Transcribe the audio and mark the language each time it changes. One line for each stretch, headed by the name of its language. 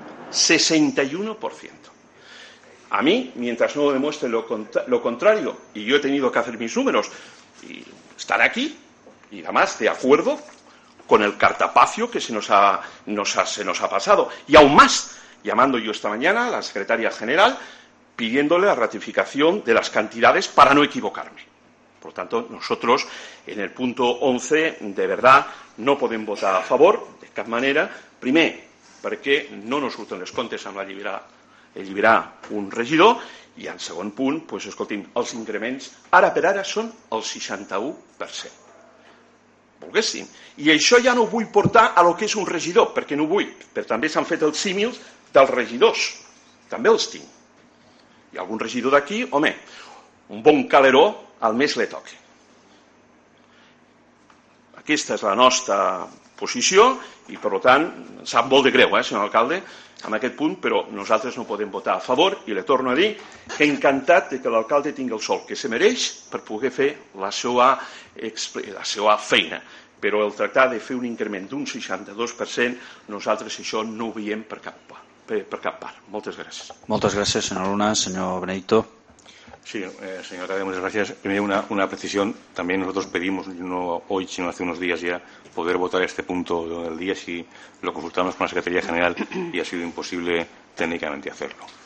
Spanish: 61%. A mí, mientras no demuestre lo contrario, y yo he tenido que hacer mis números, y estar aquí, y además de acuerdo con el cartapacio que se nos ha pasado. Y aún más, llamando yo esta mañana a la secretaria general, pidiéndole la ratificación de las cantidades para no equivocarme. Por tanto, nosotros, en el punto 11, de verdad,
Catalan: no podem votar a favor, de cap manera. Primer, perquè no ens surten els comptes amb alliberar un regidor. I en segon punt, pues, escolti'm, els increments, ara per ara, són el 61%. Volguéssim. I això ja no ho vull portar a lo que és un regidor, perquè no ho vull. Però també s'han fet els símils dels regidors. També els tinc. I algun regidor d'aquí, home, un bon caleró al mes
Spanish: le toque.
Catalan: Aquesta és la nostra posició i, per tant, sap molt de greu, senyor alcalde, en aquest punt, però nosaltres no podem votar a favor i li torno a dir que encantat que l'alcalde tingui el sol que se mereix per poder fer la seva feina. Però el tractar de fer un increment d'un 62%, nosaltres això no ho veiem per cap part. Moltes gràcies. Moltes gràcies, senyor Luna. Senyor Benedicto.
Spanish: Sí, señor alcalde, muchas gracias. Primero una precisión, también nosotros pedimos, no hoy, sino hace unos días ya, poder votar este punto del día, si lo consultamos con la Secretaría General y ha sido imposible técnicamente hacerlo.